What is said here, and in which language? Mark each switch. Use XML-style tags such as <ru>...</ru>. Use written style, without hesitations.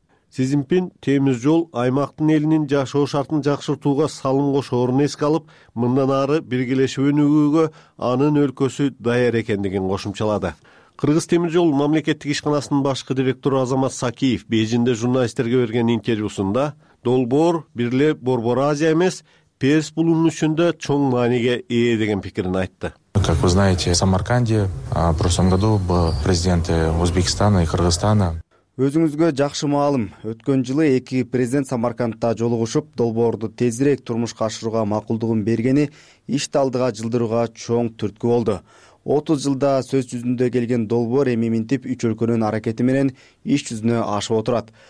<ky>Си Цзиньпин темир жол аймактын элинин жашоо шартын жакшыртууга салым кошоорун эске алып, мындан ары биргелешип өнүгүүгө анын өлкөсү даяр экендигин кошумчалады. Кыргыз темир жол мамлекеттик ишканасынын башкы директору Азамат Сакиев Бээжинде журналисттерге берген интервьюсунда долбоор бирле Борбор Азия эмес, Перс булунушунда чоң мааниге ээ деген пикирин айтты.</ky> <ru>Как вы знаете, в Самарканде в прошлом году был президент Узбекистана и Кыргызстана.</ru> <ky>Өзүңүзгө жакшы маалым, өткөн жылы эки президент Самаркандта жолугушуп, долбоорду тезирээк турмушка ашырууга макулдугун бергени ишти алдыга жылдырууга чоң түрткү болду. 30 жылда сөз жүзүндө келген долбоор эми минтип үч өлкөнүн аракети менен иш жүзүнө ашып отурат.</ky>